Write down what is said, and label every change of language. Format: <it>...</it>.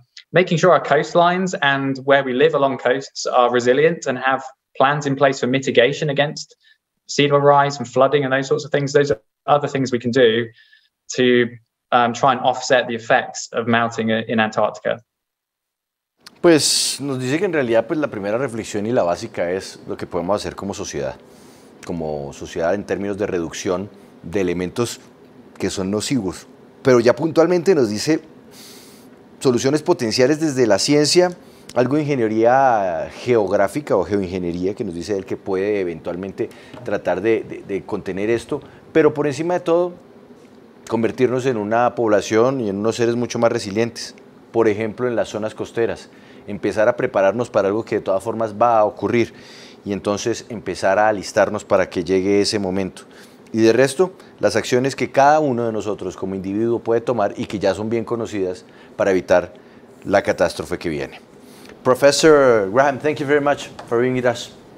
<en>Making sure our coastlines and where we live along coasts are resilient and have plans in place for mitigation against sea level rise and flooding and those sorts of things. Those are other things we can do to try and offset the effects of melting in Antarctica.</en> <es>Pues nos dice que en realidad pues la primera reflexión y la básica es lo que podemos hacer como sociedad en términos de reducción de elementos que son nocivos. Pero ya puntualmente nos dice soluciones potenciales desde la ciencia, algo de ingeniería geográfica o geoingeniería que nos dice él que puede eventualmente tratar de contener esto, pero por encima de todo, convertirnos en una población y en unos seres mucho más resilientes. Por ejemplo, en las zonas costeras, empezar a prepararnos para algo que de todas formas va a ocurrir y entonces empezar a alistarnos para que llegue ese momento. Y de resto, las acciones que cada uno de nosotros como individuo puede tomar y que ya son bien conocidas para evitar la catástrofe que viene.</es> <en>Professor Graham, thank you very much for being with us.</en>